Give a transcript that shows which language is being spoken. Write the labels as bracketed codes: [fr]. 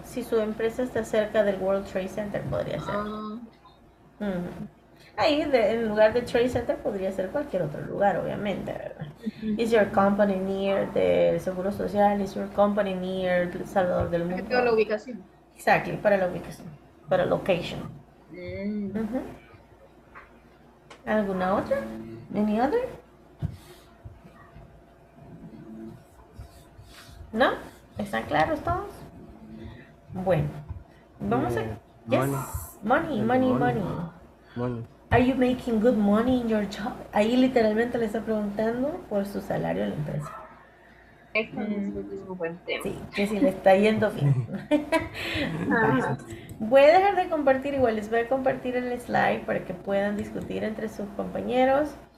[es] Si su empresa está cerca del World Trade Center, podría ser. Ahí, en lugar de Trade Center, podría ser cualquier otro lugar, obviamente, ¿verdad? [en] Uh-huh. Is your company near the Seguro Social? Is your company near El Salvador del Mundo? [es] Para la ubicación. Exactly, para la ubicación. Para location. ¿Alguna otra? [en] Any other? [es] ¿No? ¿Están claros todos? Bueno. Vamos a... [en] Money. Are you making good money in your job? [es] Ahí literalmente le está preguntando por su salario a la empresa. Es un buen tema. Sí, que si le está yendo bien. Voy a dejar de compartir, igual les voy a compartir el slide para que puedan discutir entre sus compañeros.